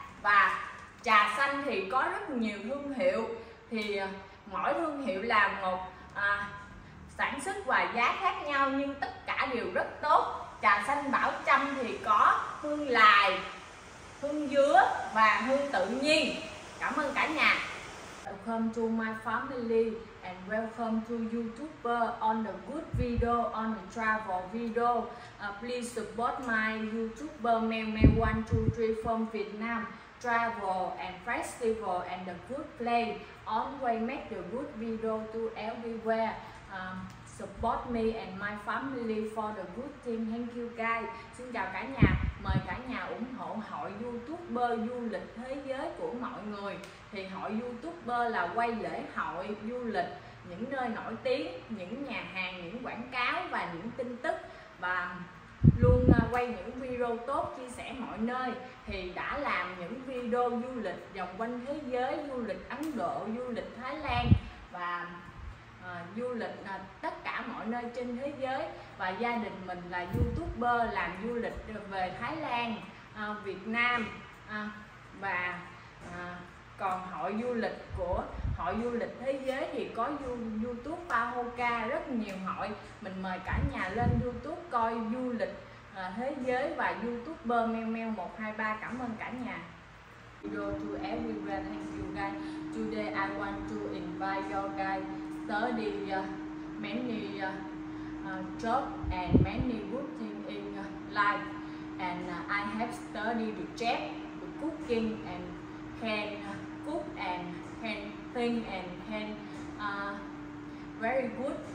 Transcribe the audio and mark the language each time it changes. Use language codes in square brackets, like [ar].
[vi] Và trà xanh thì có rất nhiều thương hiệu, thì mỗi thương hiệu là một sản xuất và giá khác nhau nhưng tất cả đều rất tốt. Trà xanh Bảo Trâm thì có hương lài, hương dứa và hương tự nhiên. Cảm ơn cả nhà. [en] Welcome to my family and welcome to YouTuber on the good video, on the travel video. Please support my YouTuber Mel 123 from Vietnam. Travel and festival and the good play. Always make the good video to everywhere. Support me and my family for the good thing. Thank you guys. [vi] Xin chào cả nhà. Mời cả nhà ủng hộ hội YouTuber du lịch thế giới của mọi người. Thì hội YouTuber là quay lễ hội du lịch, những nơi nổi tiếng, những nhà hàng, những quảng cáo và những tin tức, và luôn quay những video tốt, chia sẻ mọi nơi. Thì đã làm những video du lịch vòng quanh thế giới, du lịch Ấn Độ, du lịch Thái Lan và du lịch tất cả mọi nơi trên thế giới. Và gia đình mình là YouTuber làm du lịch về Thái Lan, Việt Nam và còn hội du lịch của hội du lịch thế giới thì có YouTube Pahoka, rất nhiều hội. Mình mời cả nhà lên YouTube coi du lịch thế giới và YouTuber Meo 123. Cảm ơn cả nhà. [en] Video to everyone, thank you guys. Today I want to invite you guys study many job and many good thing in life. And I have studied the chef, the cooking and can cook and can think and can very good.